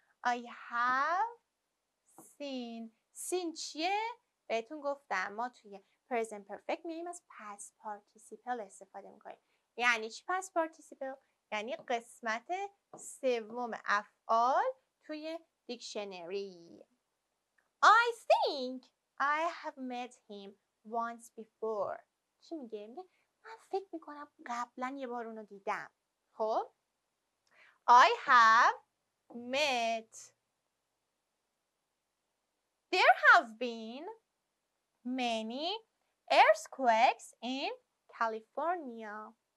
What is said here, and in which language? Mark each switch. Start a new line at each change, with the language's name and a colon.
English: I have seen.
Persian: seen چیه؟ بهتون گفتم ما توی present perfect میگیم از past participle استفاده میکنیم. یعنی چی past participle؟ یعنی قسمت سوم افعال توی دیکشنری.
English: I think I have met him once before.
Persian: چی میگه؟ میگه من فکر میکنم قبلا یه بار اونو دیدم.
English: خب I have met. There have been many earthquakes in California.